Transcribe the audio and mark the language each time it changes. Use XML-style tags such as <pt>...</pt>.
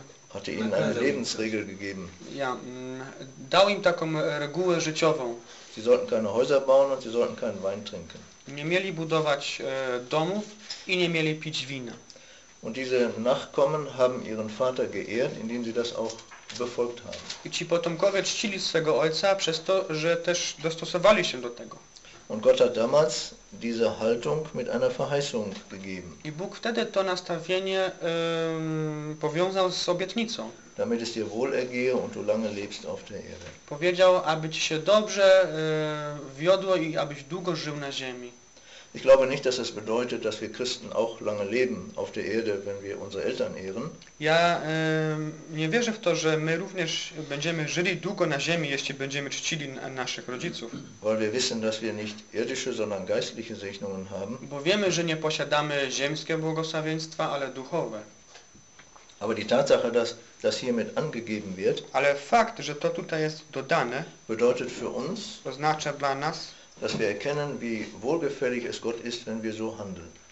<de>Hatte ihnen eine Lebensregel gegeben.</de> <pl>Ja, dał im taką regułę życiową.</pl> <de>Sie sollten keine Häuser bauen und sie sollten keinen Wein trinken.</de> <pl>Nie mieli budować domów i nie mieli pić wina.</pl> <de>Und diese Nachkommen haben ihren Vater geehrt, indem sie das auch befolgt haben.</de> <pl>I ci potomkowie czcili swego ojca przez to, że też dostosowali się do tego.</pl> <de>Und Gott hat damals diese Haltung mit einer Verheißung gegeben.</de> <pl>I Bóg wtedy to nastawienie powiązał z obietnicą.</pl> <de>Damit es dir wohl ergehe und du lange lebst auf der Erde.</de> <pl>Powiedział, aby ci się dobrze wiodło i abyś długo żył na ziemi.</pl> <de>Ich glaube nicht, dass es bedeutet, dass wir Christen auch lange leben auf der Erde, wenn wir unsere Eltern ehren.</de> <pl>Ja, nie wierzę w to, że my również będziemy żyli długo na ziemi, jeśli będziemy czcili naszych rodziców.</pl> <de>Weil wir wissen, dass wir nicht irdische, sondern geistliche Segnungen haben.</de> <pl>Bo wiemy, że nie posiadamy ziemskie błogosławieństwa, ale duchowe.</pl> <de>Aber die Tatsache, dass das hiermit angegeben wird,</de> <pl>ale fakt, że to tutaj jest dodane,</pl> <de>bedeutet für uns,</de> <pl>oznacza dla nas,</pl> <de>dass wir erkennen, wie wohlgefällig es Gott ist, wenn wir so handeln.</de>